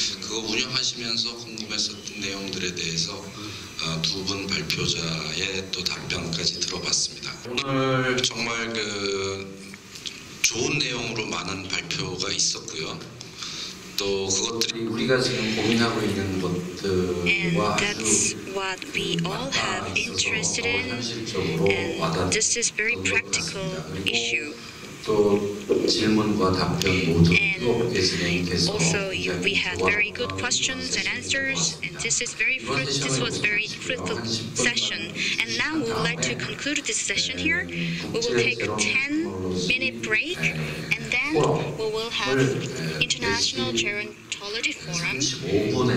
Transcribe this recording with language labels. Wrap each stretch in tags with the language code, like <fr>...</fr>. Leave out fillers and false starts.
<ko>그거 운영하시면서 궁금했었던 내용들에 대해서 두 분 발표자의 또 답변까지 들어봤습니다. 오늘 정말 그 좋은 내용으로 많은 발표가 있었고요. 또 그것들이 우리가 지금 고민하고 있는 것들과</ko> <en>And that's what we all have interested in. And this is very practical issue.</en> <ko>또 질문과 답변 모두 이렇게 진행돼서</ko> <en>Also, we had very good questions and answers. And this is very this was very fruitful session. And now we would like to conclude this session here. We will take a 10-minute break, and then we will have International Gerontology Forum at</en>